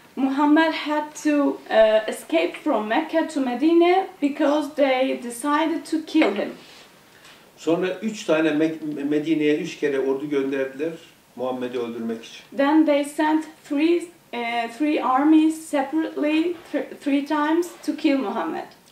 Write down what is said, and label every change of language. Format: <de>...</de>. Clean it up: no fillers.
<en>Muhammed had to escape from Mecca to Medina because they decided to kill him.</en> <tr>Sonra 3 tane Medine'ye 3 kere ordu gönderdiler Muhammed'i öldürmek için.</tr> <en>Then they sent three armies separately three times to kill Muhammed.</en>